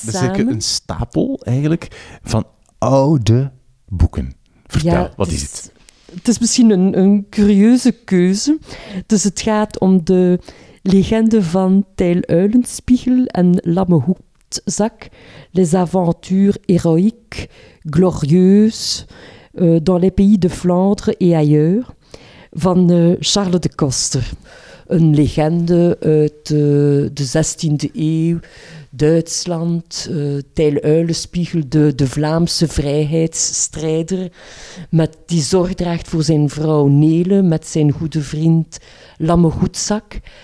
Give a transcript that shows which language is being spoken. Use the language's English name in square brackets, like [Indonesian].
[Dutch] Ja, dat is eigenlijk een stapel eigenlijk van oude boeken. Vertel, ja, wat dus, is het? Het is misschien een curieuze keuze. Dus het gaat om de legende van Tijl Uilenspiegel en Lamme Hoedzak. [French] Les aventures héroïques, glorieuses, dans les pays de Flandre et ailleurs. [Dutch] Van Charles de Koster. Een legende uit de 16e eeuw, Duitsland, Tijl Uilenspiegel, de Vlaamse vrijheidsstrijder, met die zorg draagt voor zijn vrouw Nele, met zijn goede vriend Lamme Hoedzak.